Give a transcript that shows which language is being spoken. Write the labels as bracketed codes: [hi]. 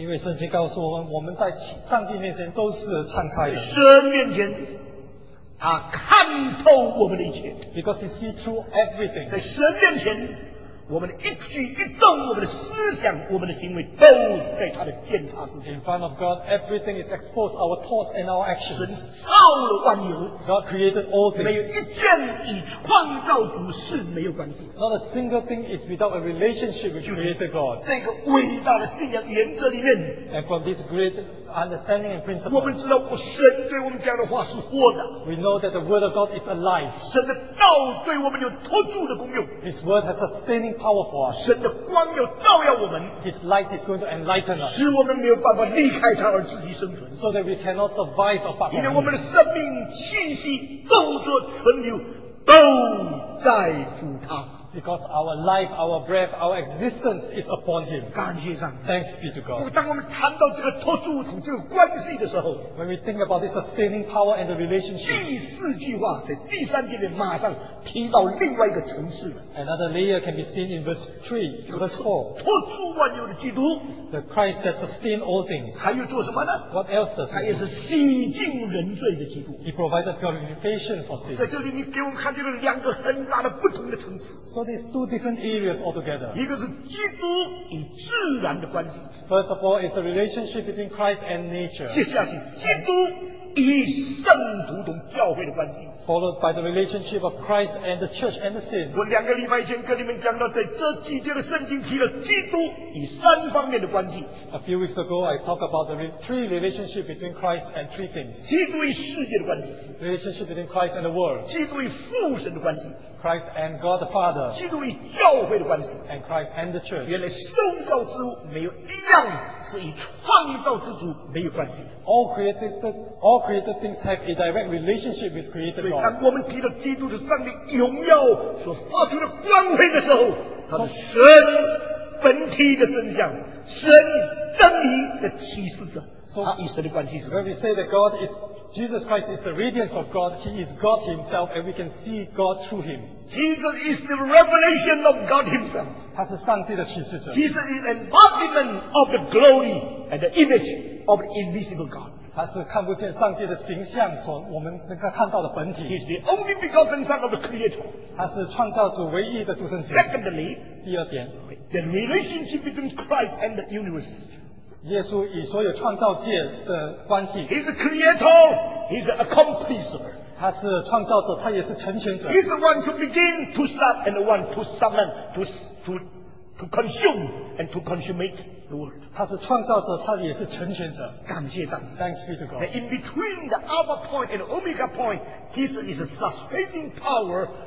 [zh] 因为圣经告诉我们我们在上帝面前都是敞开的神面前他看透我们的一切 [en] Because he sees through everything [zh] 在神面前我们的一举一动我们的思想我们的行为都在他的监察之下 [en] In front of God everything is exposed our thoughts and our actions [zh] 神造了万有 [en] God created all things [zh] 没有一件与创造主是没有关系 [en] Not a single thing is without a relationship with Creator God [zh] 这个伟大的信仰原则里面 [en] And from this great understanding and principle [zh] 我们知道神对我们讲的话是活的 [en] We know that the word of God is alive [zh] 神的道对我们有托住的功用 [en] His word has sustained Power for us. [zh] 神的光要照耀我们 [en] His light is going to enlighten us. [zh] 使我们没有办法离开他而自己生存 [en] So that we cannot survive apart from him. [zh] 因为我们的生命气息都做存留都在乎他 [en] Because our life, our breath, our existence is upon him. [zh] 感谢上帝 [en] Thanks be to God. [zh] 当我们谈到这个托住主这个关系的时候 [en] When we think about this sustaining power and the relationship. [zh] 第四句话在第三句里马上提到另外一个层次 [en] Another layer can be seen in verse 3 verse 4 [zh] 托住万有的基督 [en] The Christ that sustains all things [zh] 他又做什么呢 [en] What else does he do [zh] 他也是洗净人罪的基督 [en] He provided purification for sins [zh] 在这里你给我们看见了两个很大的不同的层次 [en] So there's two different areas altogether [zh] 一个是基督与自然的关系 [en] First of all is the relationship between Christ and nature [zh] 接下去基督与圣徒同教会的关系 [en] followed by the relationship of Christ and the church and the saints [zh] 我两个礼拜前跟你们讲到在这几节的圣经提了基督与三方面的关系 [en] a few weeks ago I talked about the three relationship between Christ and three things [zh] 基督与世界的关系 [en] relationship between Christ and the world [zh] 基督与父神的关系 [en] Christ and God the Father [zh] 基督与教会的关系 [en] and Christ and the church [zh] 原来创造之物没有一样是与创造之主没有关系 [en] All created things have a direct relationship with Creator God. [zh] 当我们提到基督的上帝荣耀所发出的光辉的时候，他是神本体的真相，神真理的启示者。 [en] So, [zh] 他与神的关系是。 [en] When we say that God is Jesus Christ is the radiance of God, He is God Himself, and we can see God through Him. Jesus is the revelation of God Himself. [zh] 他是上帝的启示者。 [en] Jesus is an embodiment of the glory and the image of the invisible God. [zh] 他是看不见上帝的形象所我们能够看到的本体 [en] He is the only begotten son of the creator [zh] 他是创造主唯一的独生子 [en] Secondly [zh] 第二点 [en] The relationship between Christ and the universe [zh] 耶稣与所有创造界的关系 [en] He is the creator He is the accomplisher [zh] 他是创造者他也是成全者 [en] He is the one to begin to start and the one to summon to consume and to consummate the world [zh] 他是创造者他也是成全者感谢上帝 [en] Thanks be to God Now, in between the Alpha point and the Omega point Jesus is a sustaining power